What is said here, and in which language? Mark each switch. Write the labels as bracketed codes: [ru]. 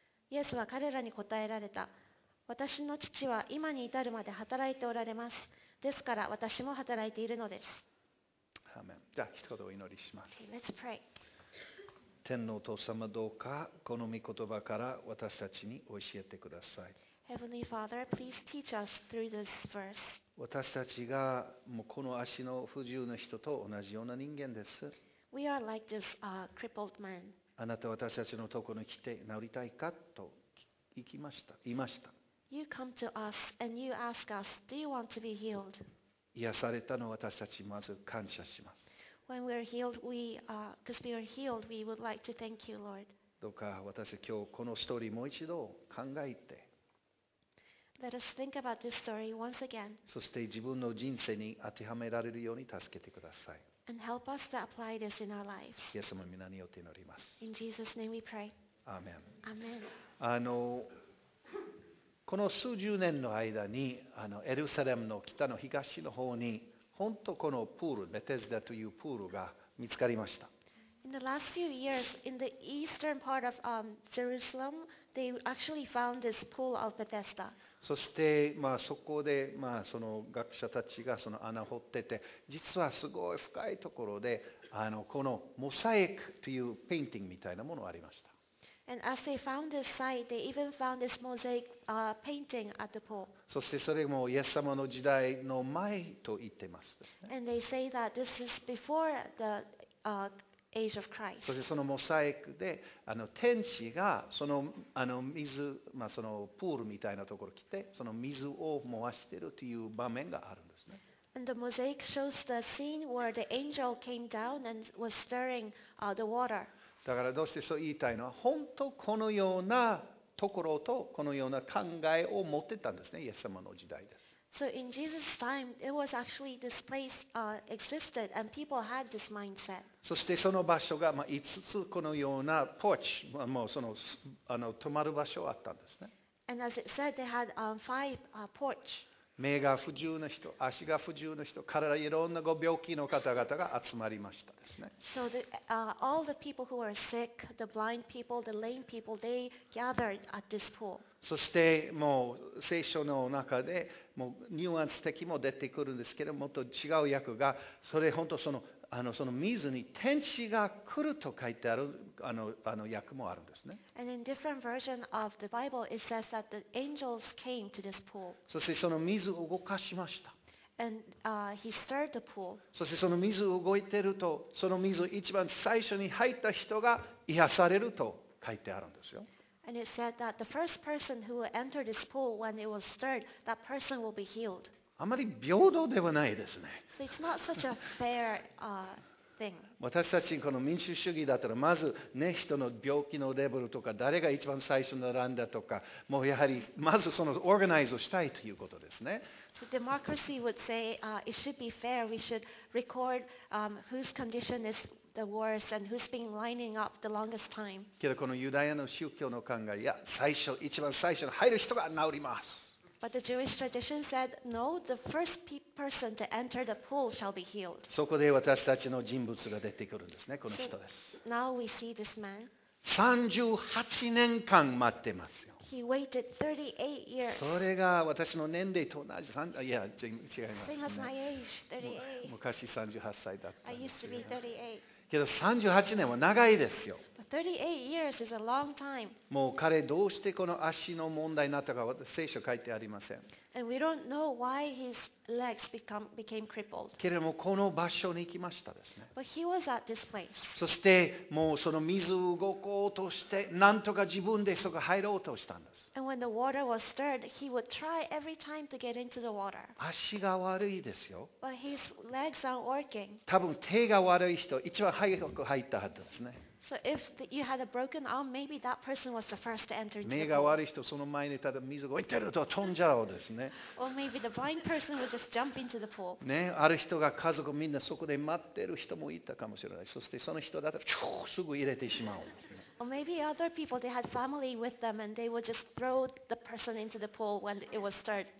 [ja] イエスは彼らに答えられた。私の父は今に至るまで働いておられます。ですから私も働いているのです。アーメン。じゃあ一言お祈りします。 [en] Let's pray. [ja] 天のお父様、どうかこの御言葉から私たちに教えてください。 [en] Heavenly Father, please teach us through this verse. [ja] 私たちがもうこの足の不自由な人と同じような人間です。 [en] We are like this, crippled man. [ja] あなた私たちのところに来て治りたいかと行きました、言いました。 [en] You come to us and you ask us, do you want to be healed? [ja] 癒されたのを私たちまず感謝します。 [en] When we are healed, we would like to thank you, Lord. [ja] どうか私今日このストーリーもう一度考えて。 [en] Let us think about this story once again. [ja] そして自分の人生に当てはめられるように助けてください。 [en] And help us to apply this in our lives. [ja] イエス様の皆によって祈ります。 [en] In Jesus' name we pray. Amen. Amen. [ja] この数十年の間にエルサレムの北の東の方に本当このプール、ベテスダというプールが見つかりました。 [en] In the last few years, in the eastern part of Jerusalem, they actually found this pool of Bethesda. [ja] そして、そこで、その学者たちがその穴を掘ってて、実はすごい深いところで、このモザイクというペインティングみたいなものがありました。 [en] And as they found this site, they even found this mosaic painting at the pool. [ja] そしてそれもイエス様の時代の前と言ってます。 [en] And they say that this is before the Age of Christ. [ja] そしてそのモザイクで天使がその水、そのプールみたいなところに来てその水を回しているという場面があるんですね。 [en] And the mosaic shows the scene where the angel came down and was stirring the water. [ja] だからどうしてそう言いたいのは、本当このようなところとこのような考えを持ってたんですね、イエス様の時代です。 [en] So in Jesus' time, it was actually this place existed, and people had this mindset. [ja] そしてその場所が5つこのようなポーチ、泊まる場所があったんですね。 [en] And as it said, they had five porch. [ja] 目が不自由な人、足が不自由な人、体いろんなご病気の方々が集まりましたですね。 [en] So the, all the people who were sick, the blind people, the lame people, they gathered at this pool. [ja] そしてもう聖書の中でもうニュアンス的も出てくるんですけど、もっと違う訳がそれ本当その水に天使が来ると書いてある訳もあるんですね。 [en] And in different version of the Bible, it says that the angels came to this pool. [ja] そしてその水を動かしました。 [en] And, he stirred the pool. [ja] そしてその水を動いてると、その水を一番最初に入った人が癒されると書いてあるんですよ。 [en] And it said that the first person who will enter this pool when it was stirred, that person will be healed. [ja] あまり平等ではないですね。 [en] So it's not such a fair thing. [ja] 私たちこの民主主義だったら、まず人の病気のレベルとか、誰が一番最初に並んだとか、もうやはりまずそのオーガナイズをしたいということですね。 [en] The democracy would say it should be fair. We should record whose condition is. The worst and who's been lining up the longest time. [ja] けどこのユダヤの宗教の考え、いや最初一番最初に入る人が治ります。 [en] But the Jewish tradition said, no, the first person to enter the pool shall be healed. [ja] そこで私たちの人物が出てくるんですね、この人です。 [en] So, now we see this man. [ja] 38年間待ってますよ。 [en] He waited 38 years. [ja] それが私の年齢と同じ。いや違います、ね。 [en] Same as my age, 38. [ja] 昔38歳だった。 [en] I used to be 38. [ja] けど38年は長いですよ。 [en] 38 years is a long time. [ja] もう彼どうしてこの足の問題になったか聖書書いてありません。 [en] And we don't know why his legs became crippled. [ja] けれどもこの場所に行きましたですね。 [en] But he was at this place. [ja] そしてもうその水を動こうとしてなんとか自分でそこ入ろうとしたんです。 [en] And when the water was stirred, he would try every time to get into the water. [ja] 足が悪いですよ。 [en] But his legs aren't working. [ja] 多分手が悪い人一番早く入ったはずですね。 [en] So if you had a broken arm, maybe that person was the first to enter. [ja] 目が悪い人その前にただ水が置いてると飛んじゃうですね。 [en] Or maybe the blind person would just jump into the pool. [ja] ね、ある人が家族みんなそこで待ってる人もいたかもしれない。そしてその人だとチュすぐ入れてしまう。 [en] Or maybe other people they had family with them and they would just throw the person into the pool when it was stirred.